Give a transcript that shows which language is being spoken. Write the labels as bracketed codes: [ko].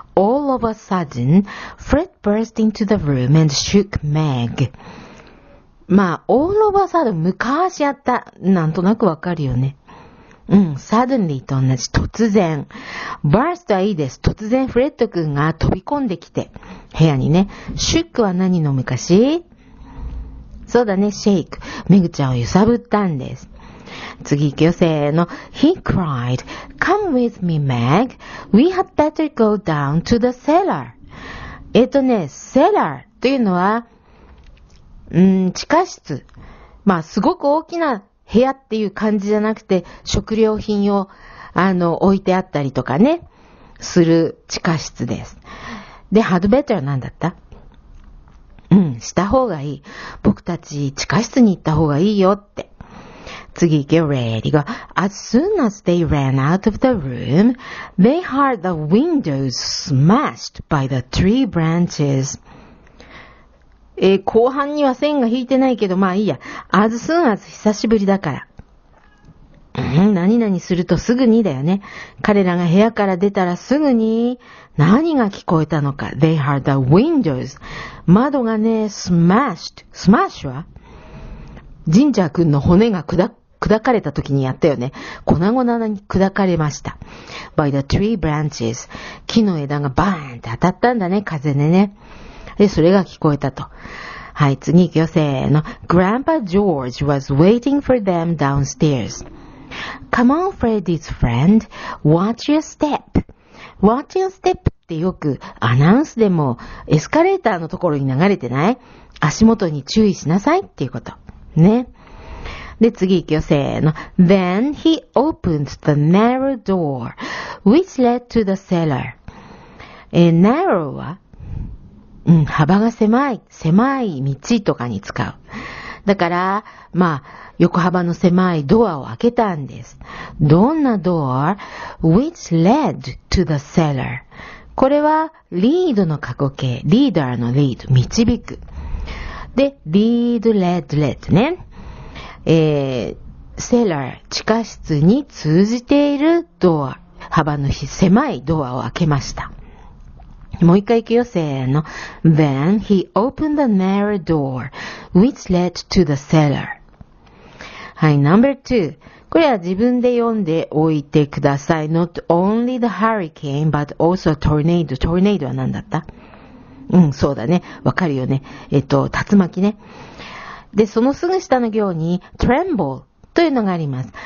[en] All of a sudden, Fred burst into the room and shook Meg. [ja] まあ、 [en] all of a sudden, [ja] 昔やった。なんとなくわかるよね。 suddenly と同じ。突然。burst はいいです。突然、フレッド君が飛び込んできて。部屋にね。shook は何の昔?そうだね、shake。メグちゃんを揺さぶったんです。次行くよ、せーの。 [en] He cried, come with me, Meg. We had better go down to the cellar. [ja] cellar というのは、地下室。まあ、すごく大きな部屋っていう感じじゃなくて、食料品を、置いてあったりとかね、する地下室です。で、had better は何だった?した方がいい。僕たち、地下室に行った方がいいよって。 [en] 次、get ready, go. As soon as they ran out of the room, they heard the windows smashed by the tree branches. [ja] 後半には線が引いてないけど、まあいいや。 [en] As soon as [ja] 久しぶりだから。何々するとすぐにだよね。彼らが部屋から出たらすぐに何が聞こえたのか。 [en] They heard the windows. [ja] 窓がね、 [en] smashed. Smash は? [ja] ジンジャー君の骨が砕かれた時にやったよね。粉々に砕かれました。 [en] By the tree branches. [ja] 木の枝がバーンって当たったんだね、風でね。で、それが聞こえたと。はい、次行くよ、せーの。 [en] Grandpa George was waiting for them downstairs. Come on, Freddy's friend. Watch your step. Watch your step [ja] ってよくアナウンスでもエスカレーターのところに流れてない? 足元に注意しなさいっていうこと。ね。で、次行くよ、せーの。 [en] Then he opened the narrow door, which led to the cellar. [ja] Narrow は、幅が狭い、狭い道とかに使う。だから、まあ、横幅の狭いドアを開けたんです。 [en] どんな door? Which led to the cellar. [ja] これは、lead の過去形。leader の lead、導く。で、lead, led, led ね。セーラー、地下室に通じているドア、幅の狭いドアを開けました。もう一回行くよ、せーの。 [en] Then he opened the narrow door, which led to the cellar. はい、number two. [ja] これは自分で読んでおいてください。 [en] Not only the hurricane, but also tornado. [ja] Tornado は何だった？うん、そうだね。わかるよね。竜巻ね。で、そのすぐ下の行に、tremble というのがあります。